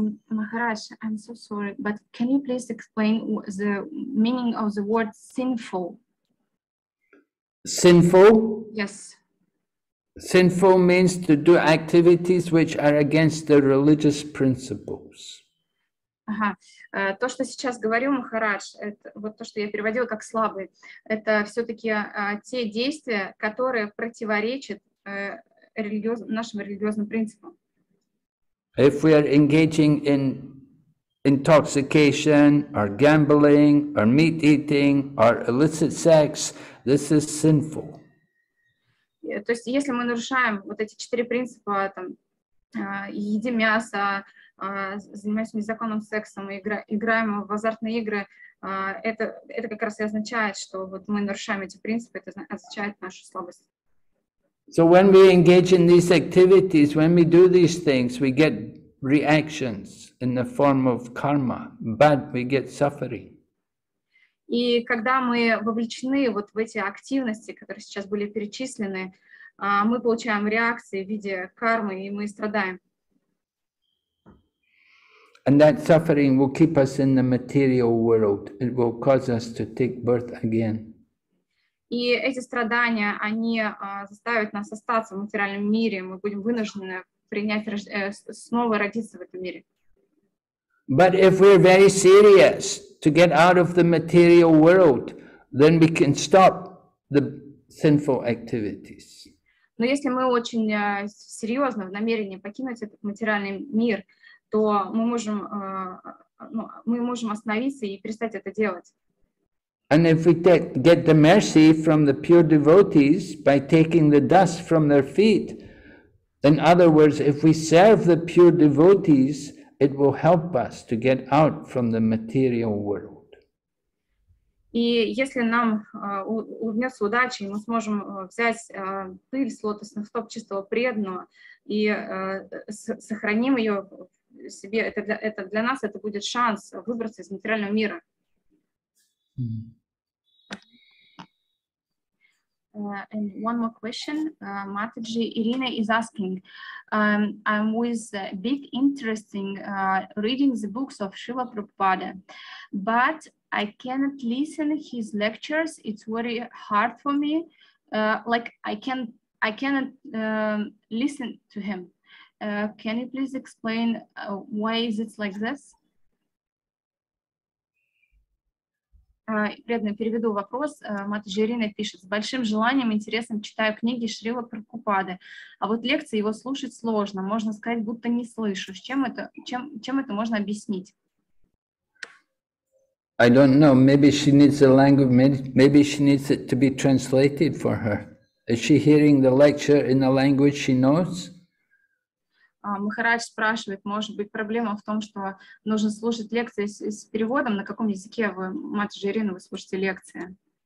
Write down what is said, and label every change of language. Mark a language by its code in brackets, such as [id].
[en] Maharaj, I'm so sorry, but can you please explain the meaning of the word sinful? Sinful? Yes. Sinful means to do activities which are against the religious principles. [ru] Ага. То, что сейчас говорил Махарадж, это вот то, что я переводила как слабый, это все-таки те действия, которые противоречат нашим религиозным принципам. [en] If we are engaging in intoxication, or gambling, or meat eating, or illicit sex, this is sinful. [ru] то есть если мы нарушаем вот эти четыре принципа, там, едим мясо, занимаемся незаконным сексом, играем в азартные игры, это как раз и означает, что вот мы нарушаем эти принципы, это означает нашу слабость. [en] So when we engage in these activities, when we do these things, we get reactions in the form of karma, but we get suffering. [ru] И когда мы вовлечены вот в эти активности, которые сейчас были перечислены, мы получаем реакции в виде кармы, и мы страдаем. [en] And that suffering will keep us in the material world. It will cause us to take birth again. [ru] И эти страдания, они заставят нас остаться в материальном мире. Мы будем вынуждены принять снова родиться в этом мире. [en] But if we're very serious to get out of the material world, then we can stop the sinful activities. [ru] Но если мы очень серьезно в намерении покинуть этот материальный мир, то мы можем остановиться и перестать это делать. [en] And if we get the mercy from the pure devotees by taking the dust from their feet, in other words, if we serve the pure devotees, it will help us to get out from the material world. [ru] И если нам улыбнется удача, мы сможем взять пыль с лотосных стоп чистого преданного и сохраним ее себе, это для нас это будет шанс выбраться из материального мира. [en] And one more question, Mataji, Irina is asking, I'm with big interest in reading the books of Srila Prabhupada, but I cannot listen to his lectures, it's very hard for me, listen to him. Can you please explain why is it like this? [ru] Преданно переведу вопрос. Матаджи Ирина пишет: с большим желанием и интересом читаю книги Шрила Прабхупады, а вот лекции его слушать сложно, можно сказать, будто не слышу. Чем это можно объяснить? [en] I don't know. Maybe she needs the language. Maybe she needs it to be translated for her. Is she hearing the lecture in the language she knows? [ru] Махарадж спрашивает, может быть, проблема в том, что нужно слушать лекции с переводом. На каком языке вы, Матаджи Ирина, вы слушаете лекции?